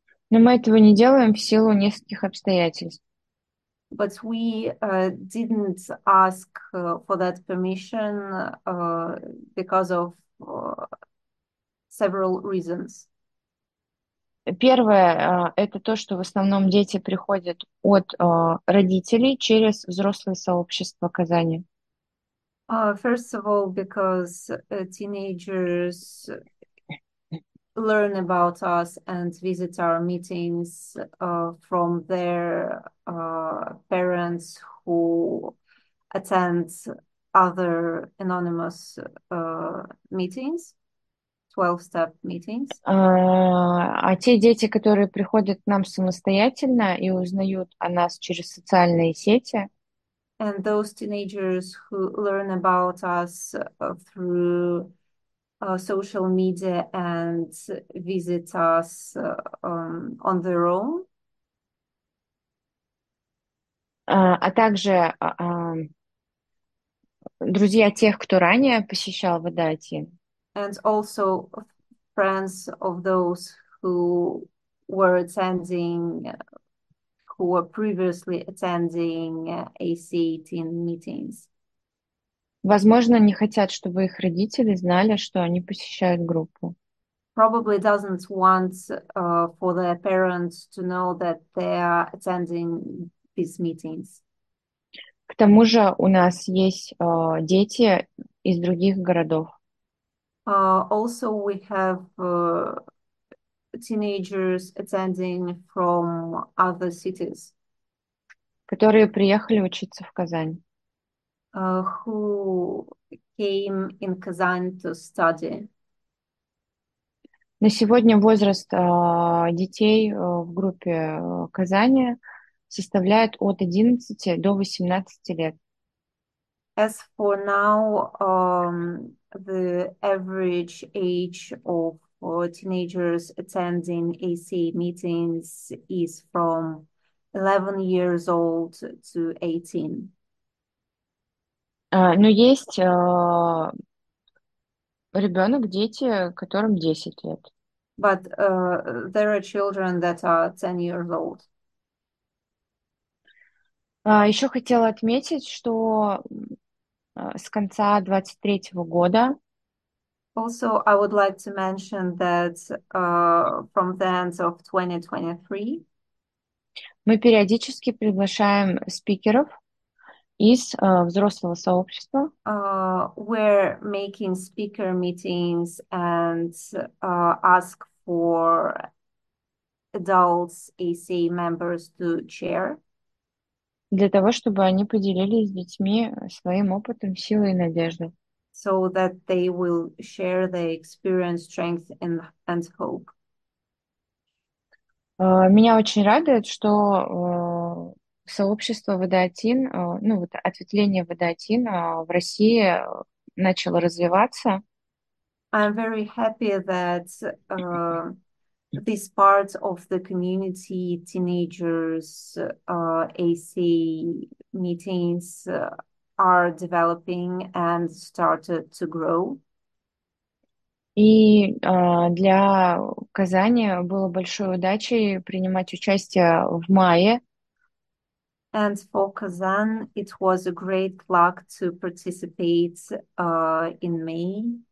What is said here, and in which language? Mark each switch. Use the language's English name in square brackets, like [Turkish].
[Russian] Но мы этого не делаем в силу нескольких обстоятельств. [English] But we didn't ask for that permission because of several reasons. [Russian] Первое, это то, что в основном дети приходят от родителей через взрослое сообщество Казани. [English] First of all, because teenagers learn about us and visit our meetings from their parents who attend other anonymous meetings, 12-step meetings. [Russian] А те дети, которые приходят к нам самостоятельно и узнают о нас через социальные сети, [English] And those teenagers who learn about us through social media and visit us on their own. [Russian] А также друзья тех, кто ранее посещал Водати. [English] And also friends of those who were attending, who were previously attending AC18 meetings. [Russian] Возможно, не хотят, чтобы их родители знали, что они посещают группу. [English] Probably doesn't want for their parents to know that they are attending these meetings. [Russian] К тому же у нас есть дети из других городов. [English] Also, we have teenagers attending from other cities, [Russian] Которые приехали учиться в Казань. [English] who came in Kazan to study. [Russian] На сегодня возраст детей в группе Казани составляет от 11 до 18 лет. [English] As for now, the average age of teenagers attending AC meetings is from 11 years old to 18. [Russian] Но есть ребенок, дети, которым 10 лет. [English] But there are children that are 10 years old. [Russian] Еще хотела отметить, что с конца 2023 года [English] Also, I would like to mention that from the end of 2023, [Russian] мы периодически приглашаем спикеров из взрослого сообщества. [English] we're making speaker meetings and ask for adults, AC members to chair. [Russian] Для того, чтобы они поделились с детьми своим опытом, силой и надеждой. [English] So that they will share their experience, strength, and hope. [Russian] Меня очень радует, что сообщество ВД1, ну вот ответвление ВД1 в России начало развиваться. [English] I'm very happy that this part of the community, teenagers, AC meetings, are developing and started to grow. [Russian] И для Казани было большой удачей принимать участие в мае. [English] And for Kazan, it was a great luck to participate in May.